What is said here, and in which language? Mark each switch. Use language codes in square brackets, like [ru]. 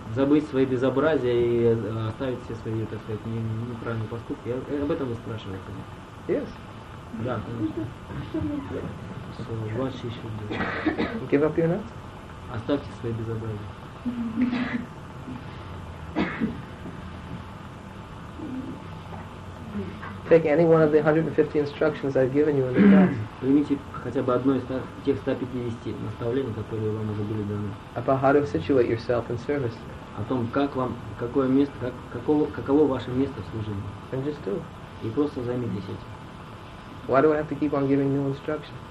[ru] Забыть свои безобразия и оставить все свои, так сказать, неправильные поступки. Я об этом спрашиваю. [en] Yes. [ru] Да, конечно. [en] So what she should do? Give up your nonsense? [ru] Оставьте свои безобразия. [en] Take any one of the 150 instructions I've given you in the past. [ru] Примите хотя бы одно из тех 150 наставлений, которые вам уже были даны. [en] About how to situate yourself in service. [ru] О том, как вам, какое место, как, каково ваше место в служении. [en] And just do. [ru] И просто займитесь этим. [en] Why do I have to keep on giving new instructions?